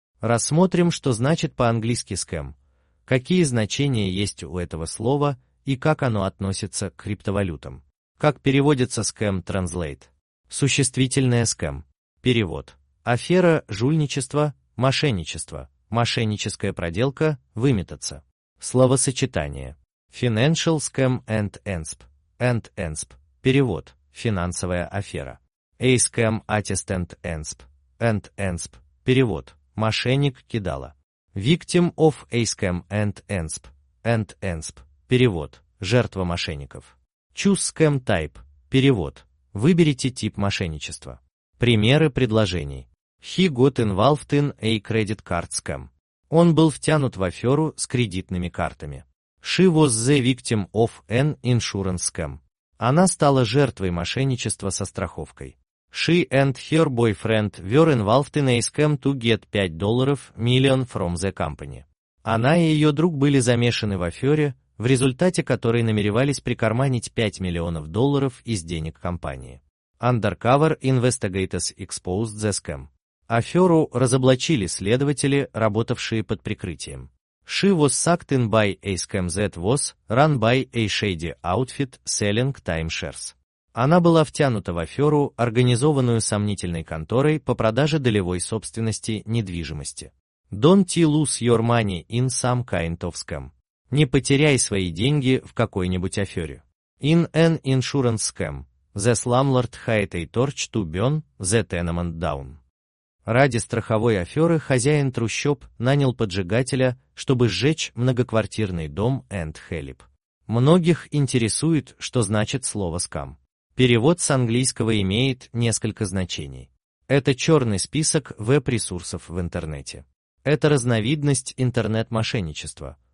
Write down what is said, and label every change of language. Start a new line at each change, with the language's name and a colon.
Russian: Рассмотрим, что значит по-английски «скэм», какие значения есть у этого слова и как оно относится к криптовалютам. Как переводится «скэм» Translate? Существительное «скэм». Перевод. Афера, жульничество, мошенничество, мошенническая проделка, выметаться. Словосочетание.
English: Financial scam and ENSP.
Russian: And ENSP. Перевод. Финансовая афера.
English: A scam artist and ENSP. And ENSP.
Russian: Перевод. Мошенник кидала.
English: Victim of a scam and ENSP. And ENSP.
Russian: Перевод. Жертва мошенников.
English: Choose scam type. Перевод.
Russian: Выберите тип мошенничества. Примеры предложений.
English: He got involved in a credit card scam.
Russian: Он был втянут в аферу с кредитными картами.
English: She was the victim of an insurance scam.
Russian: Она стала жертвой мошенничества со страховкой.
English: She and her boyfriend were involved in a scam to get $5 million from the company.
Russian: Она и ее друг были замешаны в афере, в результате которой намеревались прикарманить $5 миллионов из денег компании.
English: Undercover investigators exposed the scam.
Russian: Аферу разоблачили следователи, работавшие под прикрытием.
English: She was sucked in by a scam that was run by a shady outfit selling timeshares.
Russian: Она была втянута в аферу, организованную сомнительной конторой по продаже долевой собственности недвижимости.
English: Don't you lose your money in some kind of scam.
Russian: Не потеряй свои деньги в какой-нибудь афере.
English: In an insurance scam, the slumlord hired a torch to burn the tenement down.
Russian: Ради страховой аферы хозяин трущоб нанял поджигателя, чтобы сжечь многоквартирный дом
English: and help.
Russian: Многих интересует, что значит слово «скам». Перевод с английского имеет несколько значений. Это черный список веб-ресурсов в интернете. Это разновидность интернет-мошенничества.